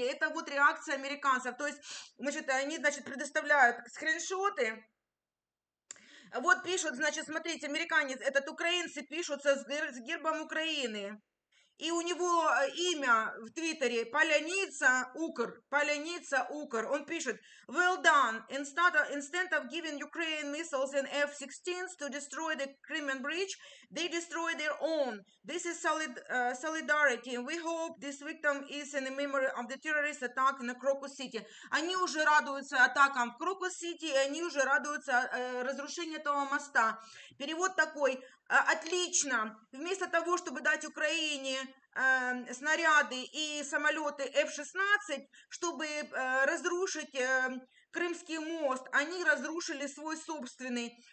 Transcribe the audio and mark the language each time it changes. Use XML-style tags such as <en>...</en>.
<ru>Это вот реакция американцев. То есть, значит, они, значит, предоставляют скриншоты. Вот пишут, значит, смотрите, американец, этот украинцы пишутся с гербом Украины. И у него имя в Твиттере Поляница Укр. Поляница Укр. Он пишет:</ru> <en>well done. Instead of giving Ukraine missiles and F-16s to destroy the Crimean Bridge, they destroy their own. This is solidarity. We hope this victim is in the memory of the terrorist attack in the Crocus City.</en> <ru>Они уже радуются атакам в Крокус Сити, и они уже радуются разрушению этого моста. Перевод такой. Отлично. Вместо того, чтобы дать Украине снаряды и самолеты F-16, чтобы разрушить Крымский мост, они разрушили свой собственный.</ru>